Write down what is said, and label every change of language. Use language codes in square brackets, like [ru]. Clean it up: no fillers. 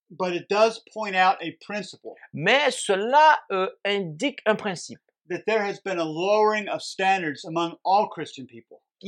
[en] But it does point out a principle. [fr] Mais cela indique un principe. [en] That there has been a lowering of standards among all Christian people.